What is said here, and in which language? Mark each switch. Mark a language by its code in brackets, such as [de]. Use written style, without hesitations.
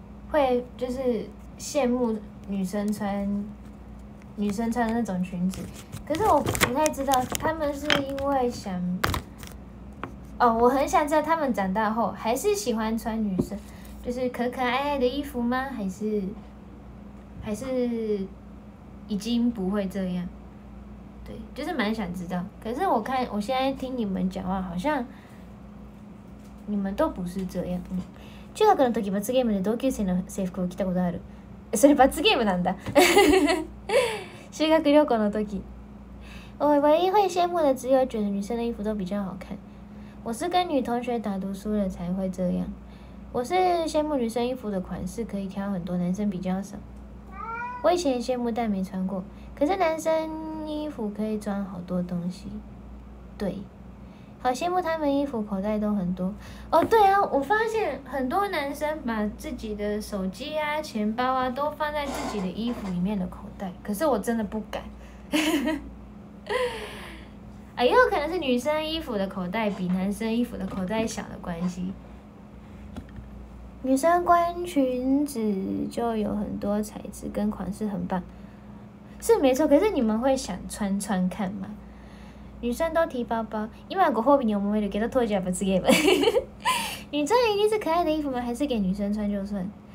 [zh] 会就是羡慕女生穿那种裙子，可是我不太知道他们是因为想，哦，我很想知道他们长大后还是喜欢穿女生就是可可爱爱的衣服吗？还是已经不会这样？对，就是蛮想知道。可是我看我现在听你们讲话，好像你们都不是这样。 [ja] 中学の時罰ゲームで同級生の制服を着たことある。それ罰ゲームなんだ。修学旅行の時。 [zh] 我唯一会羡慕的只有觉得女生的衣服都比较好看。我是跟女同学打读书了才会这样。我是羡慕女生衣服的款式可以挑很多，男生比较少。我以前也羡慕但没穿过，可是男生衣服可以装好多东西。对。好羡慕他们衣服口袋都很多哦，对啊，我发现很多男生把自己的手机啊、钱包啊都放在自己的衣服里面的口袋，可是我真的不敢。啊，也有可能是女生衣服的口袋比男生衣服的口袋小的关系。女生光裙子就有很多材质跟款式，很棒，是没错。可是你们会想穿穿看吗？女生都提包包， [ja] 今はご褒美に思えるけど当時は罰ゲーム。 [zh] 女生一定是可爱的衣服吗？还是给女生穿就算？